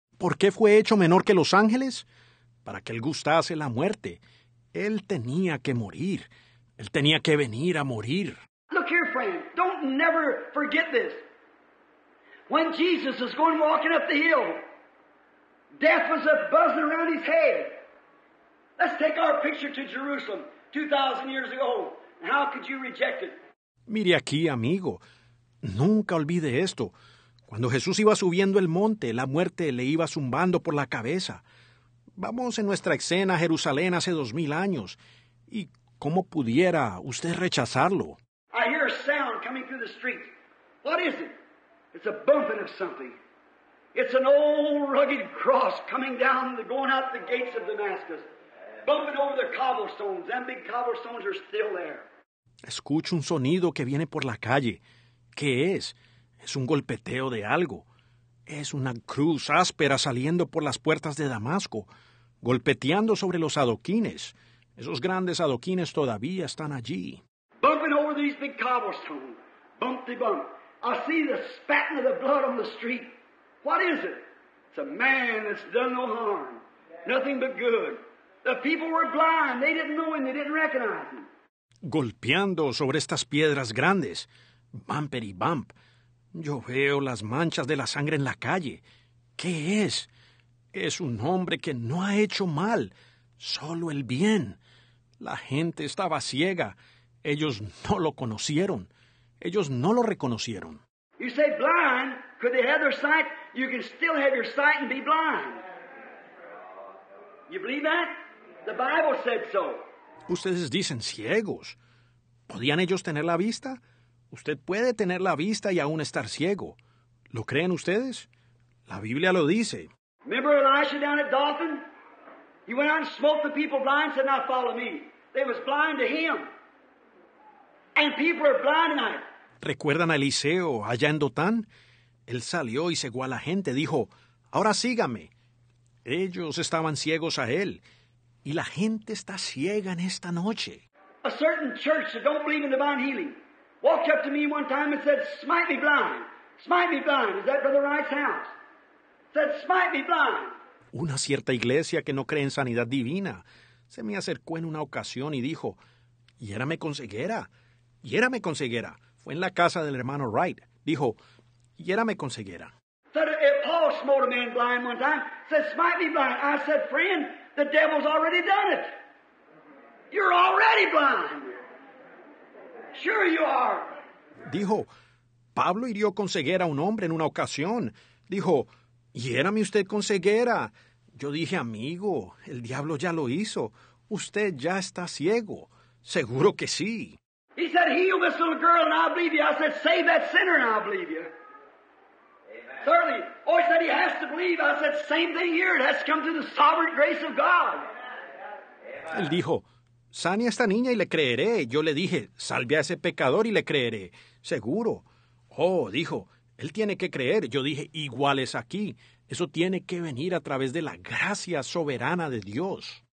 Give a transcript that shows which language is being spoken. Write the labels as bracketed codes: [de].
[es] ¿Por qué fue hecho menor que los ángeles? Para que él gustase la muerte. Él tenía que morir. Él tenía que venir a morir. [en] Look here, friend. Don't never forget this. When Jesus is going walking up the hill, Death was a buzzing around his head. Let's take our picture to Jerusalem 2,000 years ago. How could you reject it? [es] Mire aquí, amigo. Nunca olvide esto. Cuando Jesús iba subiendo el monte, la muerte le iba zumbando por la cabeza. Vamos en nuestra escena a Jerusalén hace 2,000 años. ¿Y cómo pudiera usted rechazarlo? [en] I hear a sound coming through the street. What is it? It's a bumping of something. It's an old rugged cross coming down, going out the gates of Damascus. Bumping over the cobblestones. Them big cobblestones are still there. [es] Escucho un sonido que viene por la calle. ¿Qué es? Es un golpeteo de algo. Es una cruz áspera saliendo por las puertas de Damasco, golpeteando sobre los adoquines. Esos grandes adoquines todavía están allí. [en] Bumping over these big cobblestones. Bump-de-bump. I see the spatting of the blood on the street. What is it? It's a man that's done no harm. Nothing but good. The people were blind. They didn't know him. They didn't recognize him. [es] Golpeando sobre estas piedras grandes. Bumpity-bump. Yo veo las manchas de la sangre en la calle. ¿Qué es? Es un hombre que no ha hecho mal, solo el bien. La gente estaba ciega. Ellos no lo conocieron. Ellos no lo reconocieron. [en] You say blind, could they have their sight? You can still have your sight and be blind. You believe that? The Bible said so. [es] Ustedes dicen ciegos. ¿Podían ellos tener la vista? Usted puede tener la vista y aún estar ciego. ¿Lo creen ustedes? La Biblia lo dice. [en] Remember Elisha down at Dothan? He went out and smote the people blind and said, now follow me. They was blind to him. And people are blind tonight. [es] ¿Recuerdan a Eliseo allá en Dothan? Él salió y cegó a la gente. Dijo, ahora sígame. Ellos estaban ciegos a él. Y la gente está ciega en esta noche. [en] A certain church that don't believe in divine healing walked up to me one time and said, smite me blind. Smite me blind. Is that Brother Wright's house? Said, smite me blind. [es] Una cierta iglesia que no cree en sanidad divina se me acercó en una ocasión y dijo, hiérame con ceguera. Hiérame con ceguera. Fue en la casa del hermano Wright. Dijo, hiérame con ceguera. [en] Said, Paul smote a man blind one time. Said, smite me blind. I said, friend, the devil's already done it. You're already blind. Sure you are. [es] Dijo, Pablo hirió con ceguera a un hombre en una ocasión. Dijo, hiérame usted con ceguera. Yo dije, amigo, el diablo ya lo hizo. Usted ya está ciego. Seguro que sí. [en] He said, heal this little girl and I'll believe you. I said, save that sinner and I'll believe you. Amen. Certainly. Oh, he said, he has to believe. I said, same thing here. It has to come through the sovereign grace of God. Amen. [es] Él dijo, sane a esta niña y le creeré. Yo le dije, salve a ese pecador y le creeré. Seguro. Oh, dijo, él tiene que creer. Yo dije, igual es aquí. Eso tiene que venir a través de la gracia soberana de Dios.